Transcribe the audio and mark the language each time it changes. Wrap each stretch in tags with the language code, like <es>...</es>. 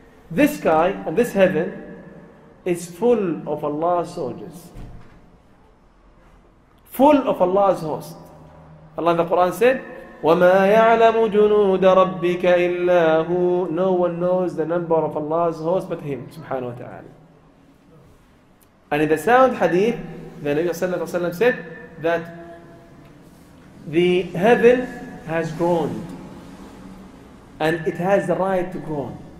<en>This sky and this heaven is full of Allah's soldiers. Full of Allah's host. Allah in the Quran said,</en> <ar>وَمَا يَعْلَمُ جُنُودَ رَبِّكَ إِلَّا هُوَ.</ar> <en>No one knows the number of Allah's host but Him, subhanahu wa ta'ala. And in the sound hadith, the Nabi sallallahu alayhi wa sallam said that the heaven has grown and it has the right to grow.</en>